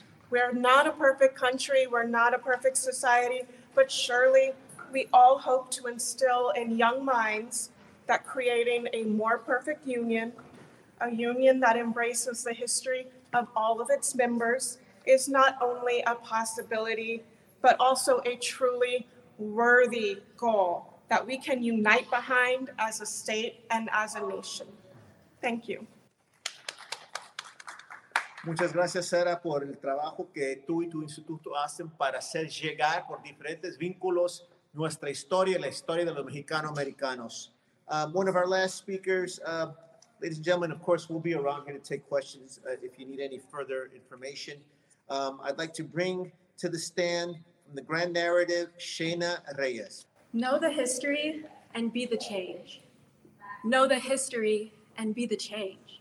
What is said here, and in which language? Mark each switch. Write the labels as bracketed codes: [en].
[en] We're not a perfect country, we're not a perfect society, but surely we all hope to instill in young minds that creating a more perfect union, a union that embraces the history of all of its members, is not only a possibility, but also a truly worthy goal that we can unite behind as a state and as a nation. Thank you. [es] Muchas gracias, Sarah, por el trabajo que tú y tu instituto hacen para hacer llegar por diferentes vínculos nuestra historia y la historia de los mexicano-americanos. [en] One of our last speakers, ladies and gentlemen, of course, we'll be around here to take questions if you need any further information. I'd like to bring to the stand from the Grand Narrative, Shayna Reyes. Know the history and be the change. Know the history and be the change.